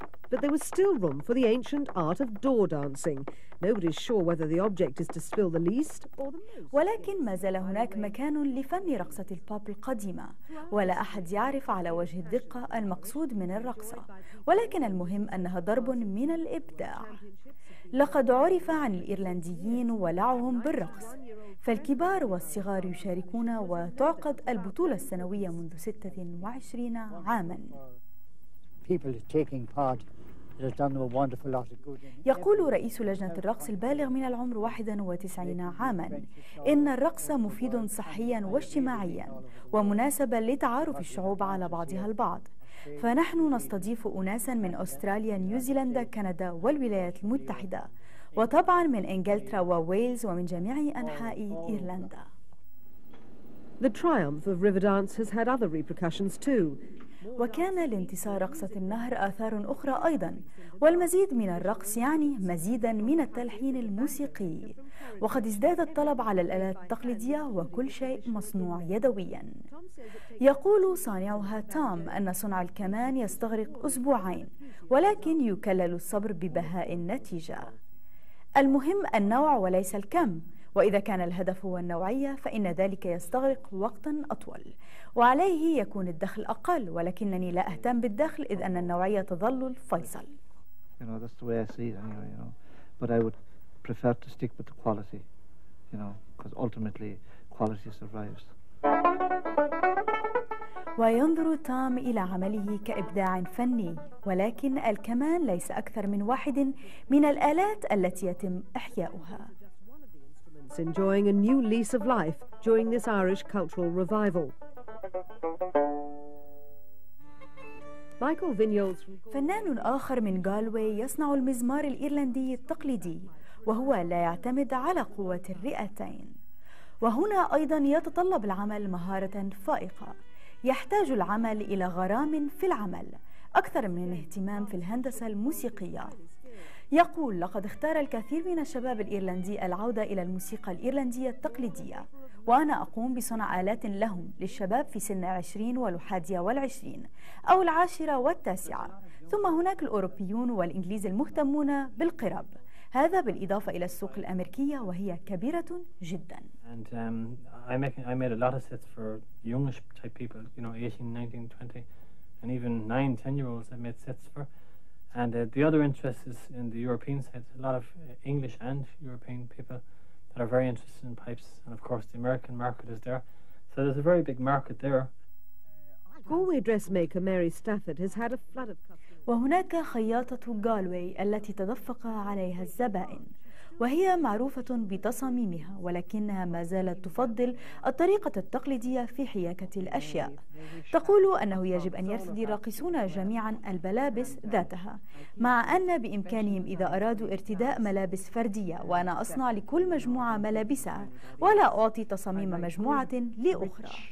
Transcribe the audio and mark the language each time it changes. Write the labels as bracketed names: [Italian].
[English] But there was still room for the ancient art of door dancing. Nobody is sure whether the object is to spill the least or the most. [Arabic] ولكن ما زال هناك مكان لفن رقصة البوب القديمة، ولا أحد يعرف على وجه الدقة المقصود من الرقصة، ولكن المهم أنها ضرب من الإبداع. لقد عرف عن الإيرلنديين ولعهم بالرقص، فالكبار والصغار يشاركون، وتعقد البطولة السنوية منذ 26 عاما. [English] People are taking part. It has done a wonderful lot of good. [Arabic] يقول رئيس لجنة الرقص البالغ من العمر 91 عاما، إن الرقص مفيد صحيا واجتماعيا ومناسبا لتعارف الشعوب على بعضها البعض. فنحن نستضيف أناسا من أستراليا، نيوزيلندا، كندا والولايات المتحدة، وطبعا من إنجلترا وويلز ومن جميع أنحاء إيرلندا. [English] The triumph of river dance has had other repercussions too. [Arabic] وكان لانتصار رقصة النهر آثار أخرى أيضا، والمزيد من الرقص يعني مزيدا من التلحين الموسيقي، وقد ازداد الطلب على الآلات التقليدية وكل شيء مصنوع يدويا. يقول صانعها تام أن صنع الكمان يستغرق أسبوعين، ولكن يكلل الصبر ببهاء النتيجة. المهم النوع وليس الكم، وإذا كان الهدف هو النوعية فإن ذلك يستغرق وقتاً أطول، وعليه يكون الدخل أقل، ولكنني لا أهتم بالدخل إذ أن النوعية تظل الفيصل. [English] You know, that's the way I see it anyway, you know. But I would prefer to stick with the quality, you know, because ultimately quality survives. [Arabic] وينظر تام إلى عمله كإبداع فني، ولكن الكمان ليس أكثر من واحد من الآلات التي يتم إحياؤها. [English] Enjoying a new lease of life during this Irish cultural revival. Michael Vignoles. [Arabic] فنان آخر من غالواي يصنع المزمار الإيرلندي التقليدي، وهو لا يعتمد على قوة الرئتين. وهنا أيضا يتطلب العمل مهارة فائقة. يحتاج العمل إلى غرام في العمل أكثر من اهتمام في الهندسة الموسيقية. يقول: لقد اختار الكثير من الشباب الإيرلندي العودة إلى الموسيقى الإيرلندية التقليدية، وأنا أقوم بصنع آلات لهم للشباب في سن 20 و21 أو 10 و9. ثم هناك الأوروبيون والإنجليز المهتمون بالقرب، هذا بالإضافة إلى السوق الأمريكية وهي كبيرة جدا. [English] And I made a lot of sets for youngish type people, you know, 18, 19, 20, and even 9, 10 year olds I made sets for. And the other interest is in the European sets, a lot of English and European people that are very interested in pipes. And of course, the American market is there. So there's a very big market there. Galway dressmaker Mary Stafford has had a flood of customers. [Arabic] وهناك خياطة غالواي التي تدفق عليها الزبائن، وهي معروفة بتصاميمها، ولكنها ما زالت تفضل الطريقة التقليدية في حياكة الأشياء. تقول أنه يجب أن يرتدي الراقصون جميعاً الملابس ذاتها، مع أن بإمكانهم إذا أرادوا ارتداء ملابس فردية، وأنا أصنع لكل مجموعة ملابسها ولا أعطي تصاميم مجموعة لأخرى.